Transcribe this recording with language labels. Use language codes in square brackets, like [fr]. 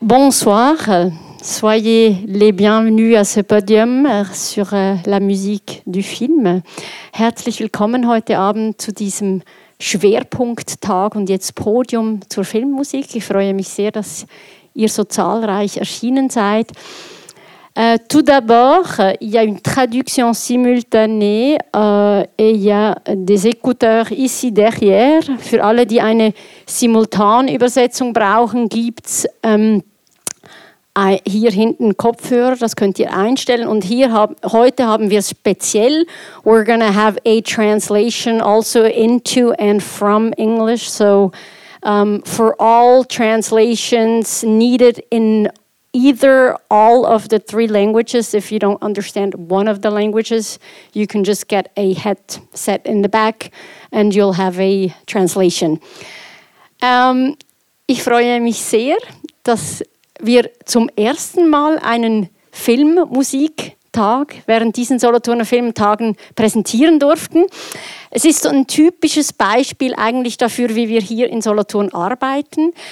[fr] Bonsoir, soyez les bienvenus à ce podium sur la musique du film. [de] Herzlich willkommen heute Abend zu diesem Schwerpunkttag und jetzt Podium zur Filmmusik. Ich freue mich sehr, dass ihr so zahlreich erschienen seid. [fr] Tout d'abord, il y a une traduction simultanée et il y a des écouteurs ici derrière. [de] Für alle, die eine Simultanübersetzung brauchen, gibt es hier hinten Kopfhörer, das könnt ihr einstellen. Und hier heute haben wir speziell, [en] we're going to have a translation also into and from English. So for all translations needed in either all of the three languages, if you don't understand one of the languages, you can just get a headset in the back and you'll have a translation. [de] Ich freue mich sehr, dass wir zum ersten Mal einen Filmmusiktag während diesen Solothurner Filmtagen präsentieren durften. Es ist so ein typisches Beispiel eigentlich dafür, wie wir hier in Solothurn arbeiten.